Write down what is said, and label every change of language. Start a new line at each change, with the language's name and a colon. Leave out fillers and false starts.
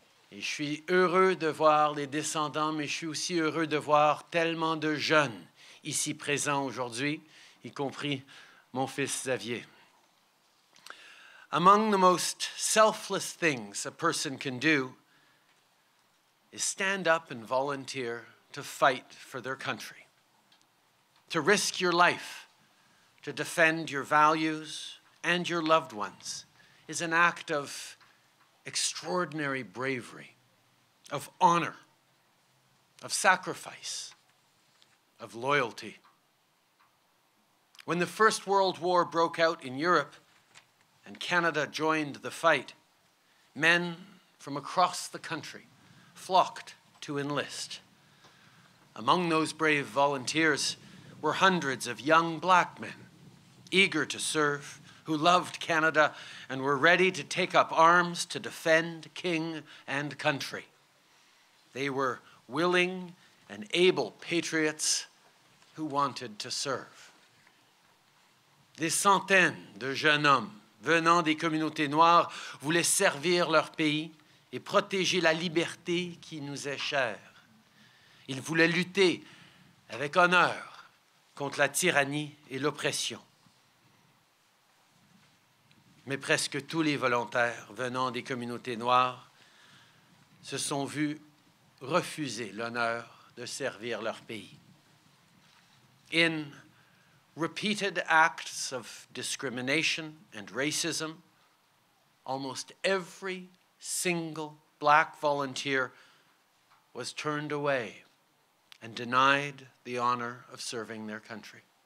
French: Et je suis heureux de voir les descendants, mais je suis aussi heureux de voir tellement de jeunes ici présents aujourd'hui, y compris mon fils Xavier.
English: Among the most selfless things a person can do is stand up and volunteer to fight for their country, to risk your life, to defend your values and your loved ones is an act of extraordinary bravery, of honor, of sacrifice, of loyalty. When the First World War broke out in Europe and Canada joined the fight, men from across the country flocked to enlist. Among those brave volunteers were hundreds of young Black men, eager to serve, who loved Canada and were ready to take up arms to defend King and country. They were willing and able patriots who wanted to serve.
French: Des centaines de jeunes hommes venant des communautés noires voulaient servir leur pays et protéger la liberté qui nous est chère. Ils voulaient lutter avec honneur contre la tyrannie et l'oppression. Mais presque tous les volontaires venant des communautés noires se sont vus refuser l'honneur de servir leur pays.
English: In repeated acts of discrimination and racism, almost every single Black volunteer was turned away and denied the honor of serving their country.